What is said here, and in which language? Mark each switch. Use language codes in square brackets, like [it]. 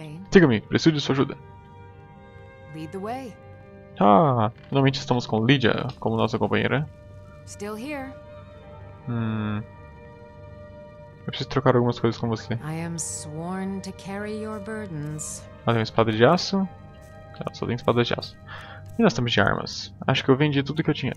[pt] Siga-me, preciso de sua ajuda. [en] Lead the way. [pt] Ah, finalmente estamos com Lídia como nossa companheira. [en] Still here. [pt] Eu preciso trocar algumas coisas com você. [en] I am sworn to carry your burdens. [pt] Ela tem uma espada de aço. Ela só tem espada de aço. E nós estamos de armas. Acho que eu vendi tudo que eu tinha.